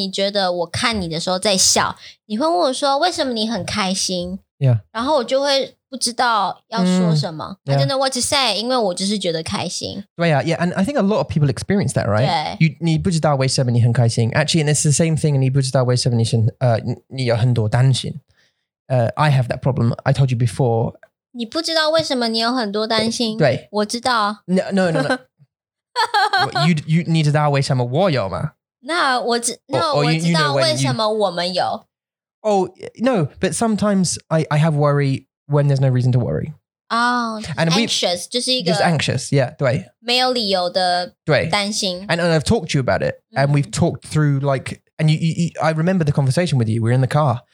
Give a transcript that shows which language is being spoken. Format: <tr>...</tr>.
<zh>我觉得有时候可能我在笑,或是你觉得我看你的时候在笑, 你会问我说,为什么你很开心?</zh> <en>Yeah.</en> <zh>然后我就会不知道要说什么。</zh> <en>Yeah. I don't know what to say,</en> <zh>因为我就是觉得开心。</zh> <en>Right, yeah, and I think a lot of people experience that, right?</en> <zh>对。你不知道为什么你很开心。 Actually, and it's the same thing, 你不知道为什么你有很多担心。</zh> <en>I have that problem. I told you before.</en> <zh>你不知道为什么你有很多担心? 对。我知道。</zh> <en>No. you need to know</en> <zh>为什么我有吗? 那我知道为什么我们有。</zh> <en>Oh, no, but sometimes I have worry when there's no reason to worry. Oh, and anxious. Just anxious, yeah.</en> <zh>没有理由的担心。</zh> <en>And I've talked to you about it. Mm-hmm. And we've talked through like, and I remember the conversation with you. We were in the car.</en>